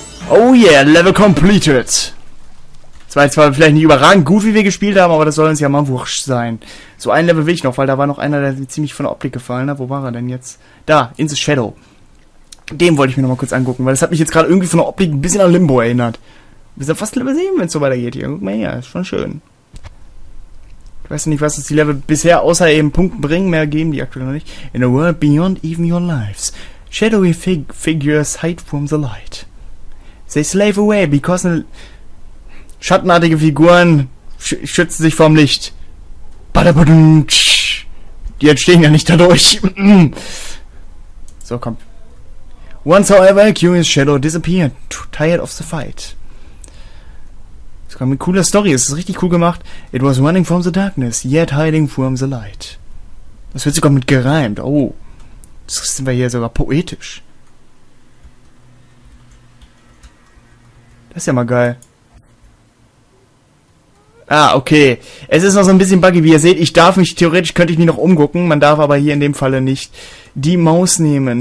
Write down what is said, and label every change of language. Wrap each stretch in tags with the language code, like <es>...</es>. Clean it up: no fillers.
<en>Oh yeah, level completed.</en> <de>Zwar vielleicht nicht überragend gut, wie wir gespielt haben, aber das soll uns ja mal wurscht sein. So ein Level will ich noch, weil da war noch einer, der ziemlich von der Optik gefallen hat. Wo war er denn jetzt? Da, in the Shadow. Den wollte ich mir nochmal kurz angucken, weil das hat mich jetzt gerade irgendwie von der Optik ein bisschen an Limbo erinnert. Wir sind fast Level 7, wenn es so weitergeht hier. Guck mal her, ist schon schön. Ich weiß nicht, was uns die Level bisher außer eben Punkten bringen, mehr geben die aktuell noch nicht.</de> <en>In a world beyond even your lives, shadowy figures hide from the light. They slave away because...</en> <de>Schattenartige Figuren schützen sich vorm Licht. Die entstehen ja nicht dadurch. So, komm.</de> <en>Once, however, a curious shadow disappeared, tired of the fight.</en> <de>Das ist eine coole Story, es ist richtig cool gemacht.</de> <en>It was running from the darkness, yet hiding from the light.</en> <de>Das wird sogar mit gereimt, oh. Das sind wir hier sogar poetisch. Das ist ja mal geil. Ah, okay. Es ist noch so ein bisschen buggy, wie ihr seht. Ich darf mich, theoretisch könnte ich mich noch umgucken, man darf aber hier in dem Falle nicht die Maus nehmen.</de>